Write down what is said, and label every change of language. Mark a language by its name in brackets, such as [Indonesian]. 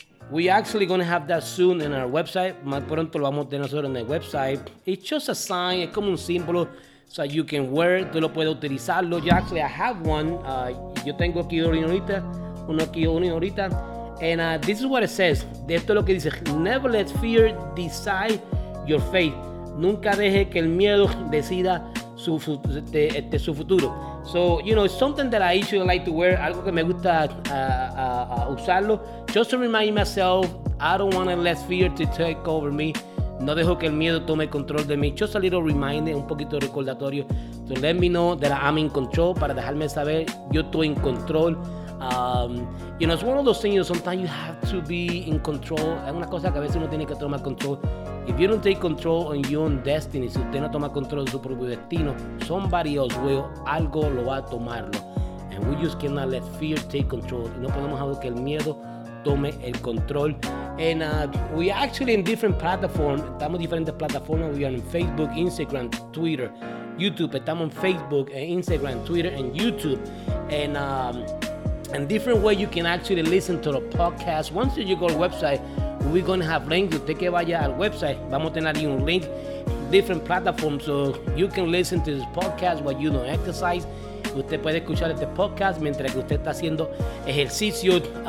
[English] We actually gonna have that soon in our website. [Spanish] Más pronto lo vamos a tener nosotros en el website. [English] It's just a sign. [Spanish] Es como un símbolo. [English] So you can wear it, [Spanish] tú lo puedes utilizarlo. Yo [English] actually, I have one. [Spanish] Yo tengo aquí uno ahorita. [English] And this is what it says. [Spanish] De esto es lo que dice. [English] Never let fear decide your fate. [Spanish] Nunca deje que el miedo decida su futuro. [English] So, you know, it's something that I usually like to wear. [Spanish] Algo que me gusta usarlo. [English] Just to remind myself, I don't want to let fear to take over me. [Spanish] No dejo que el miedo tome control de mí. [English] Just a little reminder, [Spanish] un poquito de recordatorio. [English] So let me know that I'm in control, [Spanish] para dejarme saber, yo estoy en control. [English] You know, it's one of those things, sometimes you have to be in control. [Spanish] Es una cosa que a veces uno tiene que tomar control. [English] If you don't take control on your own destiny, [Spanish] si usted no toma control de su propio destino, [English] somebody else will, [Spanish] algo lo va a tomarlo. [English] And we just cannot let fear take control. [Spanish] Y no podemos dejar que el miedo tome el control. [English] And we actually in different platforms. [Spanish] Estamos en diferentes plataformas. [English] We are in Facebook, Instagram, Twitter, YouTube. [Spanish] Estamos en [English] Facebook, Instagram, Twitter, and YouTube. And different ways you can actually listen to the podcast. Once you go to the website, we're going to have links. [Spanish] Usted que vaya al website, vamos a tener ahí un link. [English] Different platforms. So you can listen to this podcast while you don't exercise. [Spanish] Usted puede escuchar este podcast mientras que usted está haciendo ejercicio.